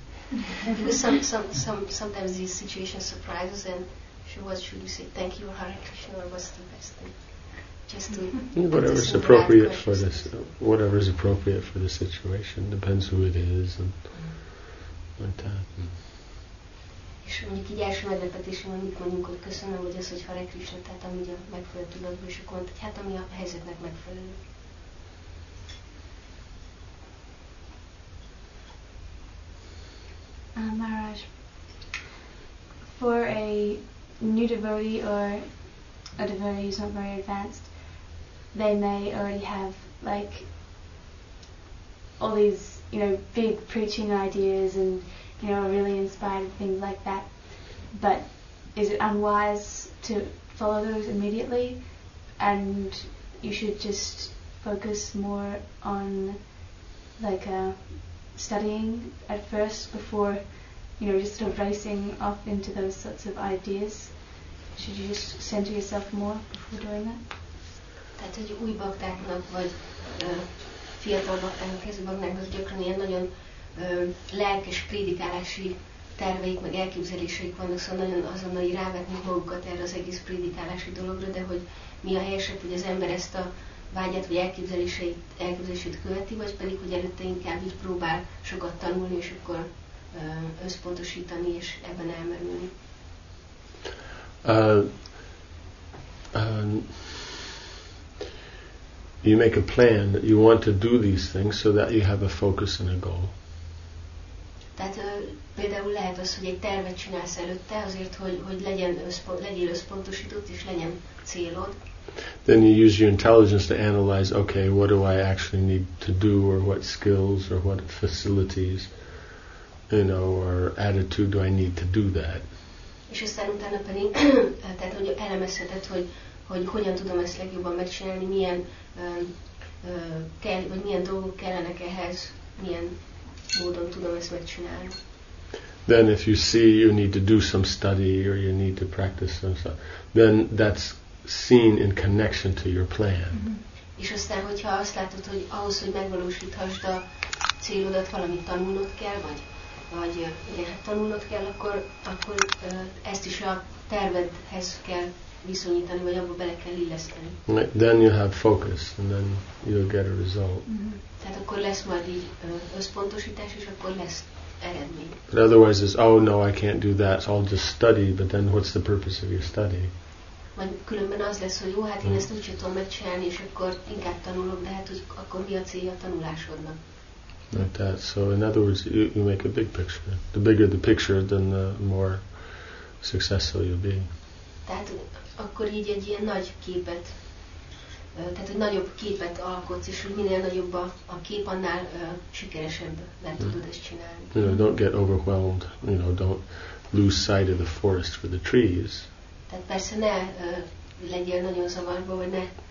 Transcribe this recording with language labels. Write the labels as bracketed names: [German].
[English] Because sometimes these situations surprises and whatever's appropriate for this, whatever's appropriate for the situation, depends who it is and like that. [Hungarian] És mondjuk így első meglepetésem, amit mondjuk, hogy köszönöm, hogy az, hogy Hare Krishna, tehát ami a megfelelő tudatban, és akkor mondta, hát ami a helyzetnek megfelelő. [English] Maharaj, for a new devotee or a devotee who's not very advanced, they may already have like all these, you know, big preaching ideas and, you know, really inspired things like that. But is it unwise to follow those immediately? And you should just focus more on like studying at first before, you know, just sort of racing off into those sorts of ideas. Should you just center yourself more before doing that? [Hungarian] Tehát egy új baktáknak, vagy fiatal baktáknak, kezdő baktáknak gyakran ilyen nagyon lelkes prédikálási terveik, meg elképzeléseik vannak, szóval nagyon azonnali rávetni magukat erre az egész prédikálási dologra, de hogy mi a helyesebb, hogy az ember ezt a vágyát, vagy elképzelését követi, vagy pedig, hogy előtte inkább így próbál sokat tanulni, és akkor összpontosítani, és ebben elmerülni. [English] You make a plan that you want to do these things so that you have a focus and a goal. [Hungarian] Tehát például lehet az, hogy egy tervet csinálsz előtte azért, hogy legyél összpontosított és legyen célod. [English] Then you use your intelligence to analyze, okay, what do I actually need to do, or what skills or what facilities, you know, or attitude do I need to do that? [Hungarian] És aztán utána pedig, tehát hogy elemezheted, hogy hogyan tudom ezt legjobban megcsinálni, milyen kell, vagy milyen dolgok kellenek ehhez, milyen módon tudom ezt megcsinálni. [English] Then if you see you need to do some study or you need to practice some stuff, then that's seen in connection to your plan. [Hungarian] És aztán, hogyha azt látod, hogy ahhoz, hogy megvalósíthasd a célodat, valamit tanulnod kell, vagy igen, hát tanulnod kell, akkor ezt is a tervedhez kell viszonyítani, vagy abba bele kell illeszteni. [English] Then you have focus, and then you'll get a result. [Hungarian] Tehát akkor lesz majd így összpontosítás, és akkor lesz eredmény. [English] But otherwise it's, oh no, I can't do that, so I'll just study, but then what's the purpose of your study? [Hungarian] Vagy különben az lesz, hogy jó, hát én ezt úgy sem tudom megcsinálni, és akkor inkább tanulok, de hát hogy akkor mi a célja a tanulásodnak? [English] Like that. So in other words, you make a big picture. The bigger the picture, then the more successful you'll be. [Hungarian] Tehát akkor így egy ilyen nagy képet tehát hogy nagyobb képet alkotsz, és hogy minél nagyobb a kép, annál sikeresebb meg tudod ezt csinálni. [English] You know, don't get overwhelmed, you know, don't lose sight of the forest for the trees. [Hungarian] Tehát persze ne legyél nagyon zavarba, vagy ne.